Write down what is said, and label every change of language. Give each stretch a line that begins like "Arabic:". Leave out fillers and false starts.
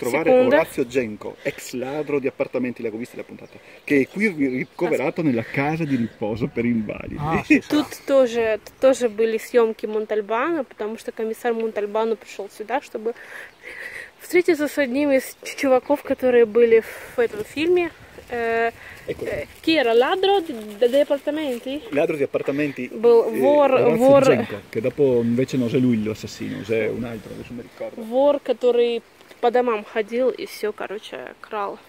Italian: Orazio Genco, ex ladro di appartamenti, l'ho vista la puntata, che è qui ricoverato nella casa di riposo per invalidi.
Russian: Тут тоже были съемки Монтальбано, потому что комиссар Монтальбано пришел сюда, чтобы встретиться с одним из чуваков, которые были в этом фильме.
Italian: Chi era ladro degli appartamenti? Ladro di appartamenti.
Russian: Vor.
Italian: Che dopo invece non è lui l'assassino, è un altro, adesso mi ricordo.
Russian: Vor, который по домам ходил и все, короче, крал.